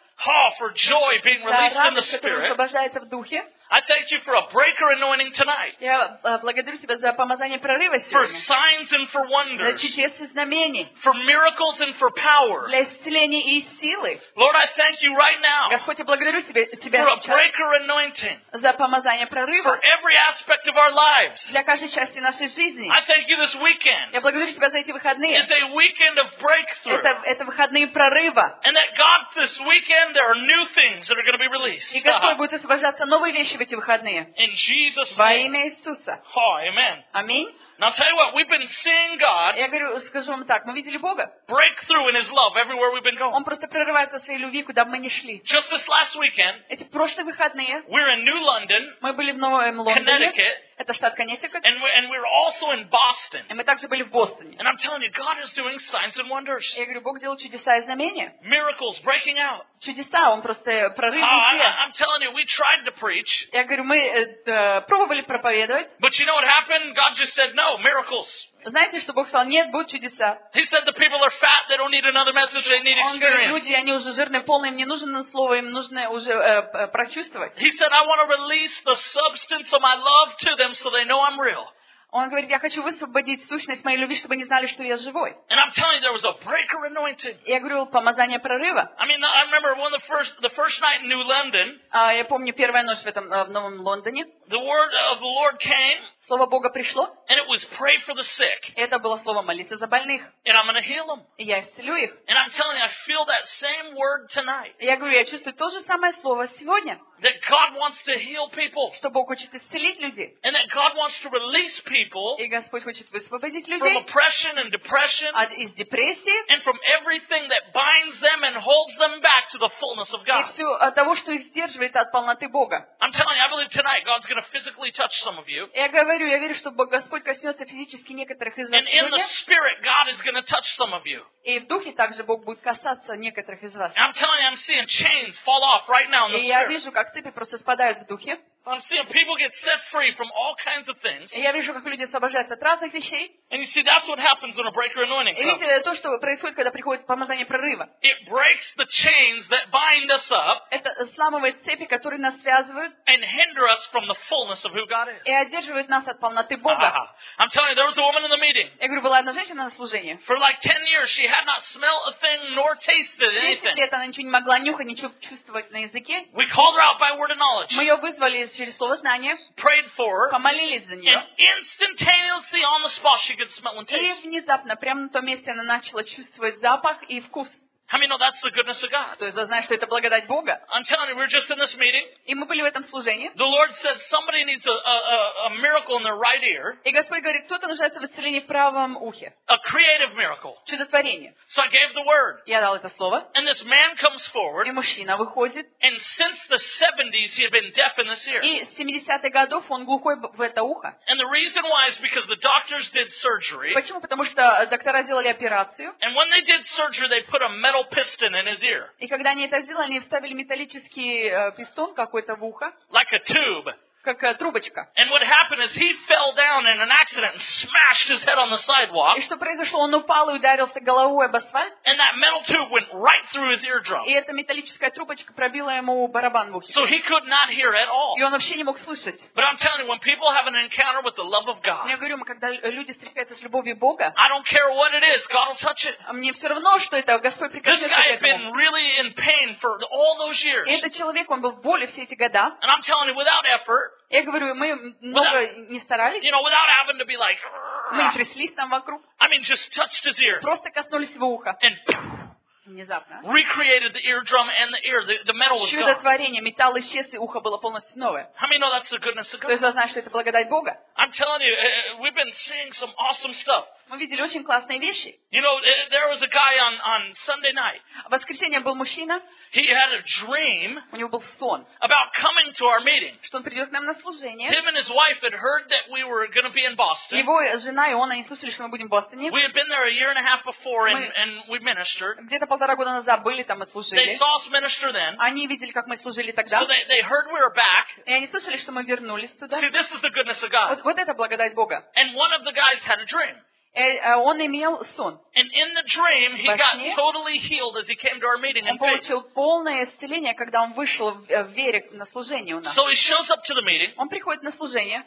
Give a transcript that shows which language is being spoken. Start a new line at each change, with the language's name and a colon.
English: Ha, for joy being released in the Spirit.
Russian: Освобождается в духе.
English: I thank you for a breaker anointing tonight.
Russian: Я благодарю тебя за помазание прорыва сегодня.
English: For signs and for wonders.
Russian: За чудеса и знамения.
English: For miracles and for power.
Russian: Для исцеления и силы.
English: Lord, I thank you right now.
Russian: Господь, я благодарю тебя
English: for a breaker anointing.
Russian: За помазание прорыва.
English: For every aspect of our lives.
Russian: Для каждой части нашей жизни.
English: I thank you this weekend.
Russian: Я благодарю тебя за эти выходные.
English: It's a weekend of breakthrough.
Russian: Это выходные прорыва.
English: And that God this weekend there are new things that are going to be released.
Russian: И Господь будет освобождаться новые вещи. В эти выходные.
English: In Jesus' name.
Russian: Во имя Иисуса.
English: Amen.
Russian: Аминь.
English: Now tell you what, we've been seeing God.
Russian: Я говорю, скажу вам так, мы видели Бога.
English: Breakthrough in His love everywhere we've been going.
Russian: Он просто прорывается в своей любви, куда бы мы ни шли.
English: Just this last weekend.
Russian: Эти прошлые выходные.
English: We're in New London.
Russian: Мы были в Новом Лондоне.
English: Connecticut.
Russian: Это штат Коннектикут.
English: And we're also in Boston.
Russian: И мы также были в Бостоне.
English: And I'm telling you, God is doing signs and wonders.
Russian: Я говорю, Бог делает чудеса и знамения.
English: Miracles breaking out.
Russian: Чудеса, Он просто прорывает везде.
English: I'm telling you, we tried to preach.
Russian: Я говорю, мы пробовали проповедовать.
English: But you know what happened? God just said no, miracles.
Russian: Знаете, что Бог сказал? Нет, будут чудеса.
English: He said the people are fat, they don't need another message, they need experience.
Russian: Он говорит, люди, они уже жирные, полные, им не нужно слово, им нужно уже прочувствовать.
English: He said, I want to release the substance of my love to them so they know I'm real.
Russian: Он говорит, я хочу высвободить сущность моей любви, чтобы они знали, что я живой.
English: And I'm telling you, there was a breaker anointing.
Russian: Я говорю, помазание прорыва.
English: I mean, I remember one of the first night in New London.
Russian: Я помню первая ночь в этом в новом Лондоне.
English: The word of the Lord came.
Russian: Слово Бога пришло.
English: And it was pray for the sick.
Russian: Это было слово молиться за больных.
English: And I'm going to heal them.
Russian: И я исцелю их.
English: And I'm telling you, I feel that same word tonight.
Russian: Я говорю, я чувствую то же самое слово сегодня.
English: That God wants to heal people.
Russian: Что Бог хочет исцелить людей.
English: And that God wants to release people.
Russian: И Господь хочет высвободить людей.
English: From oppression and depression.
Russian: От из депрессии.
English: And from everything that binds them and holds them back to the fullness of God.
Russian: И все от того, что их сдерживает от полноты Бога.
English: I'm telling you, I believe tonight God's going to physically touch some of you.
Russian: Я говорю, я верю, что Господь коснется физически некоторых из вас.
English: And in the spirit, God is going to touch some of you.
Russian: И в духе также Бог будет касаться некоторых из вас.
English: I'm telling you, I'm seeing chains fall off right now in the spirit.
Russian: И я вижу, как цепи просто спадают в духе.
English: I'm seeing people get set free from all kinds of things.
Russian: Я вижу, как люди освобождаются от разных вещей.
English: And you see, that's what happens when a breaker anointing comes.
Russian: И видите, это то, что происходит, когда приходит помазание прорыва.
English: It breaks the chains that bind us up.
Russian: Это сламывает цепи, которые нас связывают.
English: And hinder us from the fullness of who God is.
Russian: И одерживает нас от полноты Бога.
English: I'm telling you, there was a woman in the meeting.
Russian: Я говорю, была одна женщина на служении.
English: For like 10 years, she had not smelled a thing nor tasted anything.
Russian: 10 лет она ничего не могла нюхать, ничего чувствовать на языке.
English: We called her out by word of knowledge.
Russian: Мы ее вызвали через слово знания,
English: prayed for her,
Russian: помолились за нее,
English: and instantaneously on the spot she could smell and taste.
Russian: И внезапно, прямо на том месте, она начала чувствовать запах и вкус.
English: How many know that's the goodness of God?
Russian: То есть, знаешь, что это благодать Бога?
English: I'm telling you, we were just in this meeting.
Russian: И мы были в этом служении.
English: The Lord says somebody needs a miracle in their right ear.
Russian: И Господь говорит, кто-то нуждается в исцелении в правом ухе.
English: A creative miracle.
Russian: Чудотворение.
English: So I gave the word.
Russian: Я дал это слово.
English: And this man comes forward.
Russian: И мужчина выходит.
English: And since the 70s he had been deaf in this ear.
Russian: И с 70-х годов он глухой в это ухо.
English: And the reason why is because the doctors did surgery.
Russian: Почему? Потому что доктора сделали операцию.
English: And when they did surgery, they put a metal piston in his ear.
Russian: И когда они это сделали, они вставили металлический пистон какой-то в ухо.
English: Like a tube.
Russian: Как трубочка.
English: And what happened is he fell down in an accident and smashed his head on the sidewalk.
Russian: И что произошло? Он упал и ударился головой об асфальт.
English: And that metal tube went right through his eardrum.
Russian: И эта металлическая трубочка пробила ему барабан в ухе.
English: So he could not hear at all.
Russian: И он вообще не мог слышать.
English: But I'm telling you, when people have an encounter with the love of God.
Russian: Я говорю, когда люди встречаются с любовью Бога.
English: I don't care what it is, God will touch it.
Russian: Мне все равно, что это, Господь прикоснется к этому.
English: This guy had been really in pain for all those years.
Russian: И этот человек, он был в боли все эти года.
English: And I'm telling you, without effort.
Russian: Я говорю, мы много не старались.
English: You know, without having to be like,
Russian: мы тряслись там вокруг.
English: I mean, just touched his ear.
Russian: Просто коснулись его уха.
English: And
Russian: внезапно.
English: Recreated the eardrum and the ear. The metal was gone.
Russian: Чудотворение. Металл исчез, и ухо было полностью новое.
English: How many know that's the goodness of God?
Russian: То есть, знаешь, что это благодать Бога?
English: I'm telling you, we've been seeing some awesome stuff.
Russian: Мы видели очень классные вещи.
English: You know, there was a guy on Sunday night.
Russian: В воскресенье был мужчина.
English: He had a dream.
Russian: У него был сон.
English: About coming to our meeting.
Russian: Что он придет к нам на служение.
English: Him and his wife had heard that we were going to be in Boston.
Russian: Его жена и он, они слышали, что мы будем в Бостоне.
English: We had been there a year and a half before and we ministered.
Russian: Где-то полтора года назад были там и служили.
English: They saw us minister then.
Russian: Они видели, как мы служили тогда.
English: So they heard we were back.
Russian: И они слышали, что мы вернулись туда.
English: See, this is the goodness of God.
Russian: Вот это благодать Бога.
English: And one of the guys had a dream.
Russian: Он имел сон.
English: And in the dream, he got totally healed as he came to our meeting.
Russian: Он получил полное исцеление, когда он вышел в вере на служение у нас.
English: So he shows up to the meeting.
Russian: Он приходит на служение.